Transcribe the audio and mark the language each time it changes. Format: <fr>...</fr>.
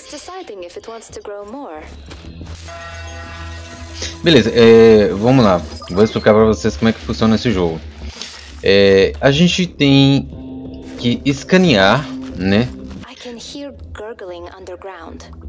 <en>It's deciding if it wants to grow more.</en> <pt>Beleza, vamos lá. Vou explicar para vocês como é que funciona esse jogo. A gente tem que escanear, né?</pt> <en>I can hear gurgling underground.</en>